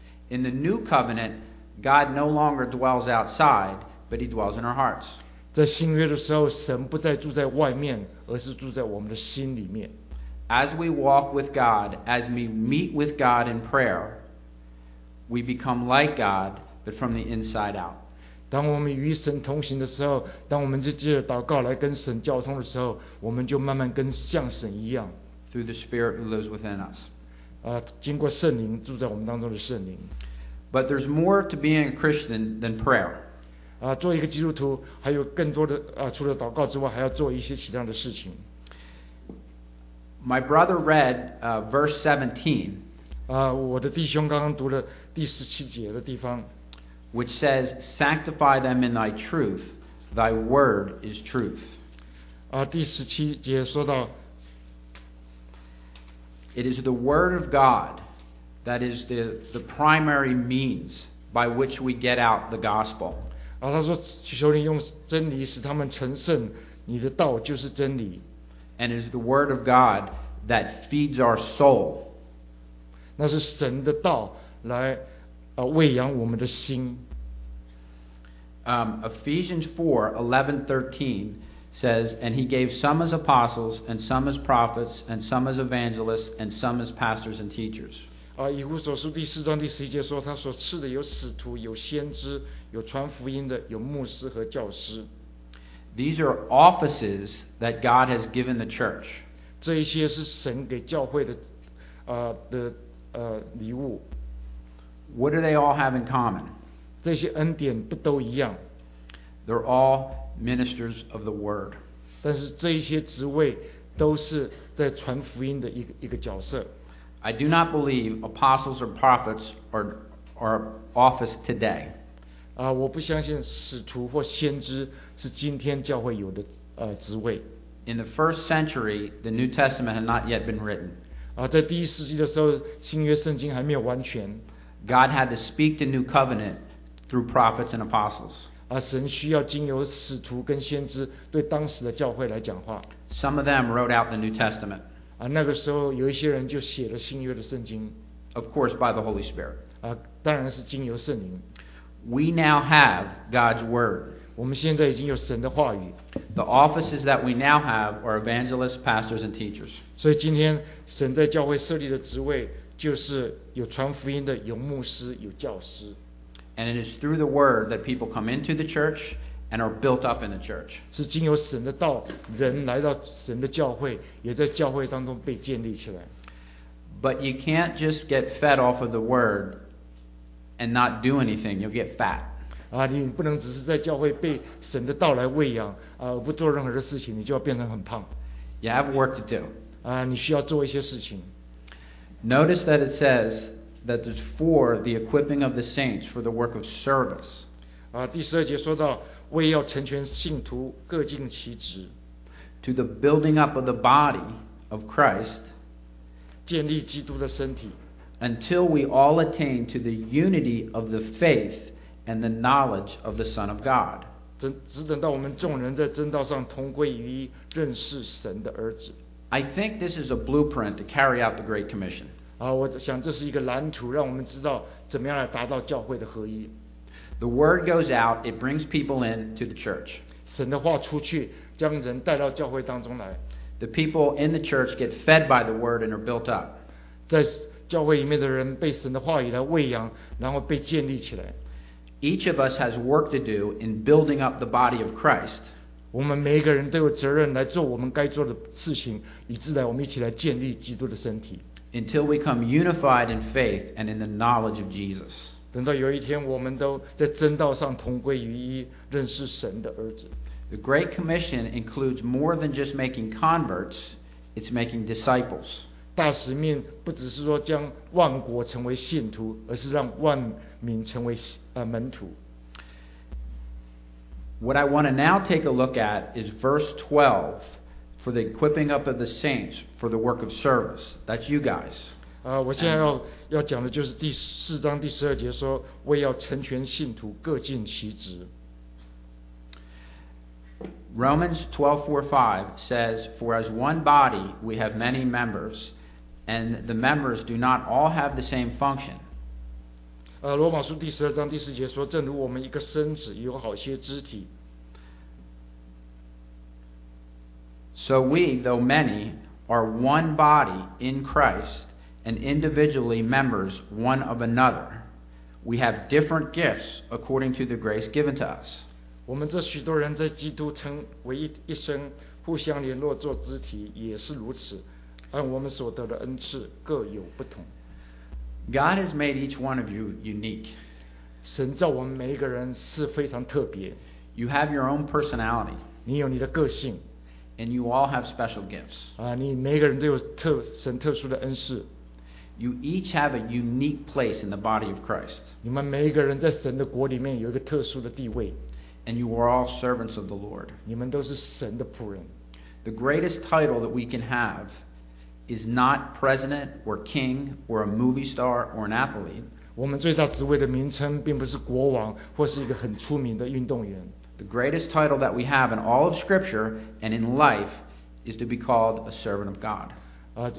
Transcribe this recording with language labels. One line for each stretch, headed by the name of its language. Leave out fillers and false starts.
English: In the new covenant, God no longer dwells outside, but he dwells in our hearts.
Chinese: 在新约的时候，神不再住在外面，而是住在我们的心里面。
English: As we walk with God, as we meet with God in prayer, we become like God, but from the inside out.
Chinese: 当我们与神同行的时候，当我们就借着祷告来跟神交通的时候，我们就慢慢跟像神一样。
English: Through the Spirit who lives within us.
Chinese: 经过圣灵住在我们当中的圣灵。
English: But there's more to being a Christian than prayer.
Chinese: 做一个基督徒还有更多的除了祷告之外还要做一些其他的事情。
English: My brother read verse 17.
Chinese: 我的弟兄刚刚读了第十七节的地方。
English: Which says, sanctify them in thy truth, thy word is truth.
Chinese: 第十七节说到。
English: It is the word of God that is the primary means by which we get out the gospel.
Chinese: 他说求你用真理使他们成圣你的道就是真理
English: And it is the word of God that feeds our soul
Chinese: 那是神的道来喂养我们的心
English: Ephesians 4:11-13 says And he gave some as apostles and some as prophets and some as evangelists and some as pastors and teachers
Chinese: 以弗所书第四章第十一节说他所赐的有使徒有先知有传福音的有牧师和教师
English: These are offices that God has given the church
Chinese: 这一些是神给教会的礼物
English: What do they all have in common?
Chinese: 这些恩典不都一样
English: They're all ministers of the word
Chinese: 但是这一些职位都是在传福音的一个角色
English: I do not believe apostles or prophets are office today
Chinese: 我不相信使徒或先知是今天教会有的职位。
English: In the first century, the New Testament had not yet been written.
Chinese: 在第一世纪的时候，新约圣经还没有完全。
English: God had to speak the new covenant through prophets and apostles.
Chinese: 神需要经由使徒跟先知对当时的教会来讲话。
English: Some of them wrote out the New Testament.
Chinese: 那个时候有一些人就写了新约的圣经。
English: Of course, by the Holy Spirit.
Chinese: 当然是经由圣灵。
English: We now have God's word.
Chinese: 我们现在已经有神的话语。
English: The offices that we now have are evangelists, pastors, and teachers.
Chinese: 所以今天神在教会设立的职位就是有传福音的，有牧师，有教师。
English: And it is through the word that people come into the church and are built up in the church.
Chinese: 是经由神的道，人来到神的教会，也在教会当中被建立起来。
English: But you can't just get fed off of the word and not do anything. You'll get fat.
Chinese: 你不能只是在教会被神的道来喂养，而不做任何的事情，你就要变成很胖。
English: You have work to do.
Chinese: 你需要做一些事情。
English: Notice that it says that there's for the equipping of the saints for the work of service.
Chinese: 第十二节说到为要成全信徒各尽其职。
English: To the building up of the body of Christ.
Chinese: 建立基督的身体。
English: Until we all attain to the unity of the faith and the knowledge of the Son of God.
Chinese: 只等到我们众人在真道上同归于一，认识神的儿子。
English: I think this is a blueprint to carry out the Great Commission.
Chinese: 我想这是一个蓝图，让我们知道怎么样来达到教会的合一。
English: The word goes out, it brings people in to the church.
Chinese: 神的话出去，将人带到教会当中来。
English: The people in the church get fed by the word and are built up.
Chinese: 在教会里面的人被神的话语来喂养，然后被建立起来。
English: Each of us has work to do in building up the body of Christ.
Chinese: 我们每一个人都有责任来做我们该做的事情，以致来我们一起来建立基督的身体。
English: Until we come unified in faith and in the knowledge of Jesus.
Chinese: 等到有一天我们都在真道上同归于一，认识神的儿子。
English: The Great Commission includes more than just making converts, it's making disciples.
Chinese: 大使命不只是说将万国成为信徒，而是让万民成为门徒。
English: What I want to now take a look at is verse 12 for the equipping up of the saints for the work of service. That's you guys.
Chinese: 我现在要讲的就是第四章第十二节说为要成全信徒各尽其职。
English: Romans 12:4-5 says, For as one body we have many members, and the members do not all have the same function.
Chinese: 罗马书第十二章第十节说正如我们一个身子有好些肢体。
English: So we, though many, are one body in Christ, and individually members one of another. We have different gifts according to the grace given to us.
Chinese: 我们这许多人在基督成为一身，互相联络做肢体，也是如此。按我们所得的恩赐，各有不同。
English: God has made each one of you unique.
Chinese: 神造我们每一个人是非常特别。
English: You have your own personality.
Chinese: 你有你的个性。
English: And you all have special gifts.
Chinese: 你每个人都有神特殊的恩赐。
English: You each have a unique place in the body of Christ.
Chinese: 你们每一个人在神的国里面有一个特殊的地位。
English: And you are all servants of the Lord.
Chinese: 你们都是神的仆人。
English: The greatest title that we can have is not president or king or a movie star or an athlete.
Chinese: 我们最大职位的名称并不是国王或是一个很出名的运动员。
English: The greatest title that we have in all of Scripture and in life is to be called a servant of God.